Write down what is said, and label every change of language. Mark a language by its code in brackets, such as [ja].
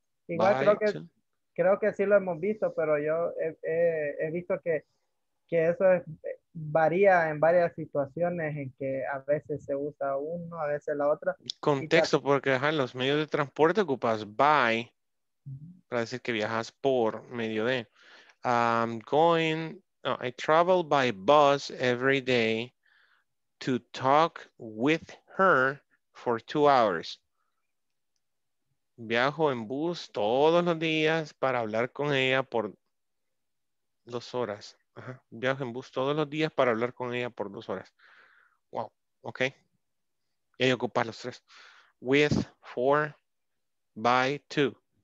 [es] Igual creo que sí lo hemos visto, pero yo he visto que eso es, varía en varias situaciones en que a veces se usa uno, a veces la otra. Contexto, porque en los medios de transporte ocupas by, para decir que viajas por medio de. [en] I'm going, no, I travel by bus every day to talk with her for 2 hours. [es] Viajo en bus todos los días para hablar con ella por 2 horas. Ajá. Viajo en bus todos los días para hablar con ella por 2 horas. Wow, ok. Y ahí ocupas los tres. With, for, by, to.